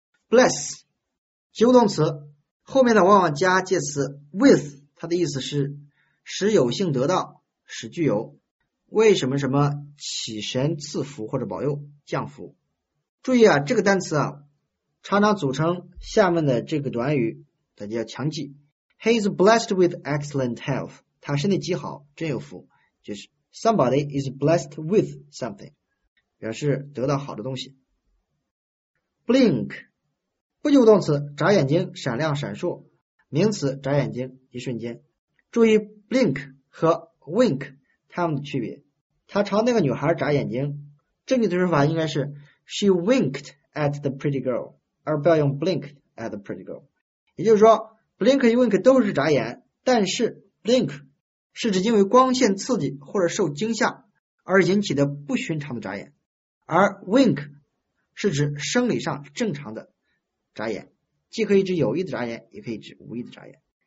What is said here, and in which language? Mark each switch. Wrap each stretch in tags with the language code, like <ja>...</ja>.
<zh>Bless及物动词，后面的往往加介词 with， 它的意思是使有幸得到，使具有，为什么什么起神赐福或者保佑降福。注意啊，这个单词啊常常组成下面的这个短语，大家要强记。</zh> <en>He is blessed with excellent health，</en> <zh>他身体极好，真有福，就是</zh> <en>Somebody is blessed with something，</en> <zh>表示得到好的东西。 Blink， 不及物动词，眨眼睛，闪亮，闪烁。名词，眨眼睛，一瞬间。注意 blink 和 wink 它们的区别。他朝那个女孩眨眼睛，正确的说法应该是</zh> <en>she winked at the pretty girl，</en> <zh>而不要用</zh> <en>blink at the pretty girl。</en> <zh>也就是说 ，blink 与 wink 都是眨眼，但是 blink 是指因为光线刺激或者受惊吓而引起的不寻常的眨眼，而 wink 是指生理上正常的眨眼，既可以指有意的眨眼，也可以指无意的眨眼。</zh>